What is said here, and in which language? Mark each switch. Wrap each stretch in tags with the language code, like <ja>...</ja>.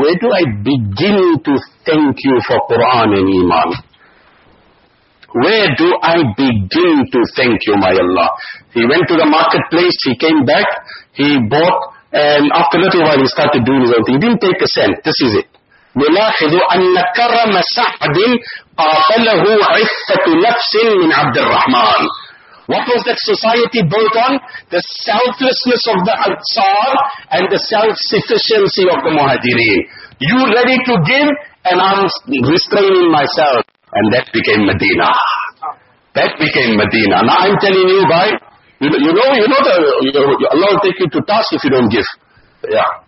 <en>Where do I begin to thank you for Quran and Iman? Where do I begin to thank you, my Allah? He went to the marketplace, he came back, he bought, and after a little while he started doing his own thing. He didn't take a cent, this is it.</en> <ar>نلاحظوا أن كرم سعد قافله عفة نفس من عبد الرحمن.</ar> <en>What was that society built on? The selflessness of the Ansar and the self-sufficiency of the Muhajirin. You ready to give and I'm restraining myself. And that became Medina. Now I'm telling you, by you know Allah will take you to task if you don't give. Yeah.</en>